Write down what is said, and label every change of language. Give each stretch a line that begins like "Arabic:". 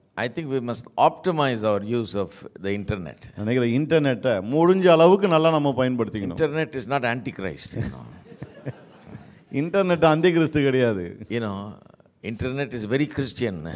English: I think we must optimize our use of the internet.
Tamil: நீங்க இன்டர்நெட்டை முடிஞ்ச அளவுக்கு நல்லா நம்ம பயன்படுத்திக்கணும்.
English: Internet is not antichrist.
Tamil: Internet Antichrist கிடையாது.
English: You know, internet is very Christian.